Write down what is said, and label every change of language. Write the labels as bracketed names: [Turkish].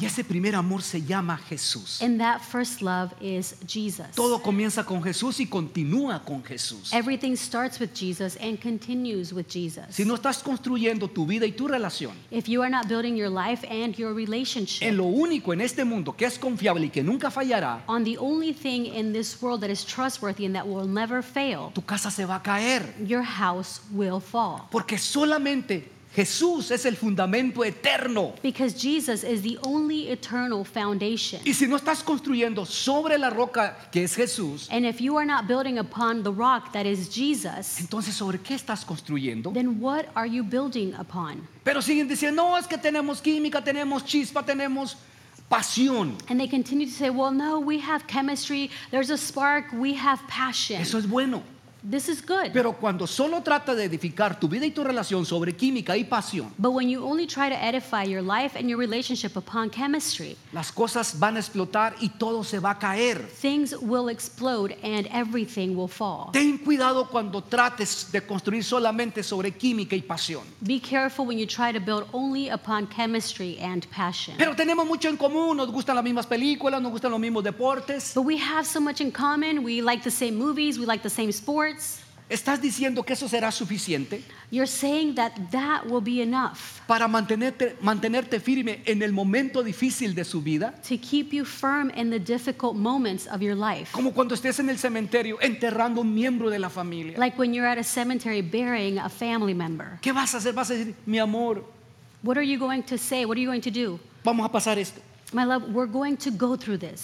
[Spanish] Y ese primer amor se llama Jesús. [English] And that first love is Jesus. [Spanish] Todo comienza con Jesús y continúa con Jesús. [English] Everything starts with Jesus and continues with Jesus. [Spanish] Si no estás construyendo tu vida y tu relación, [English] if you are not building your life and your relationship, [Spanish] en lo único en este mundo que es confiable y que nunca fallará, [English] on the only thing in this world that is trustworthy and that will never fail, [Spanish] tu casa se va a caer. [English] Your house will fall. [Spanish] Porque solamente Jesús es el fundamento eterno. [English] Because Jesus is the only eternal foundation. [Spanish] Y si no estás construyendo sobre la roca que es Jesús, [English] and if you are not building upon the rock that is Jesus, [Spanish] entonces sobre qué estás construyendo? [English] Then what are you building upon? [Spanish] Pero siguen diciendo, no, es que tenemos química, tenemos chispa, tenemos pasión. [English] And they continue to say, well, no, we have chemistry, there's a spark, we have passion. [Spanish] Eso es bueno. [English] This is good. [Spanish] Pero cuando solo trata de edificar tu vida y tu relación sobre química y pasión, [English] but when you only try to edify your life and your relationship upon chemistry, [Spanish] las cosas van a explotar y todo se va a caer. [English] Things will explode and everything will fall. [Spanish] Ten cuidado cuando trates de construir solamente sobre química y pasión. [English] Be careful when you try to build only upon chemistry and passion. [Spanish] Pero tenemos mucho en común. Nos gustan las mismas películas, nos gustan los mismos deportes. [English] But we have so much in common. We like the same movies, we like the same sports. [Spanish] ¿Estás diciendo que eso será suficiente? [English] You're saying that that will be enough. [Spanish] Para mantenerte firme en el momento difícil de su vida. [English] To keep you firm in the difficult moments of your life. [Spanish] Como cuando estés en el cementerio enterrando un miembro de la familia. [English] Like when you're at a cemetery burying a family member. [Spanish] ¿Qué vas a hacer? Vas a decir, mi amor. [English] What are you going to say? What are you going to do? [Spanish] Vamos a pasar esto. [English] My love, we're going to go through this.